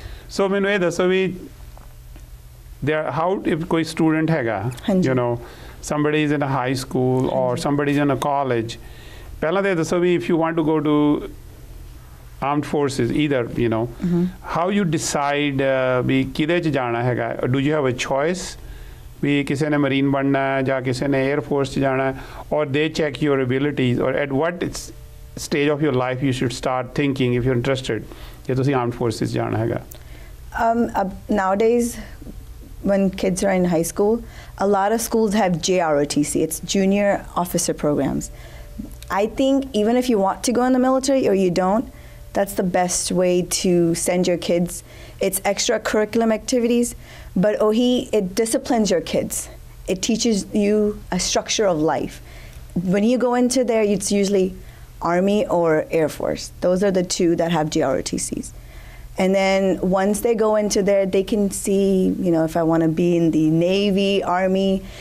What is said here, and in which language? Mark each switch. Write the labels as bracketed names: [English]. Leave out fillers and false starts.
[English] So [Punjabi] mainu eh dasso vi [English] there, how if [Punjabi] koi student hega, [English] you know, somebody is in a high school or somebody is in a college, [Punjabi] pehla de dasso vi [English] if you want to go to armed forces, either, you know, how you decide [Punjabi] vi kide ch jana hega? [English] Do you have a choice? [Punjabi] ਵੀ ਕਿਸੇ ਨੇ marine ਬਣਨਾ ਹੈ ਜਾਂ ਕਿਸੇ ਨੇ air force 'ਚ ਜਾਣਾ, [English] or ਦੇ check your abilities, or at what stage of your life you should start thinking if you interested [Punjabi] ਜੇ ਤੁਸੀਂ ਆਰਮ ਫੋਰਸਿਸ ਜਾਣਾ ਹੈਗਾ? [English] Nowadays when kids are in high school, a lot of schools have JROTC, it's junior officer programmes. I think even if you want to go in the military or you don't, That's the best way to send your kids. It's extracurricular activities, but ohi, it disciplines your kids. It teaches you a structure of life. When you go into there, it's usually Army or Air Force. Those are the two that have GROTCs. And then once they go into there, they can see, you know, if I want to be in the Navy, Army.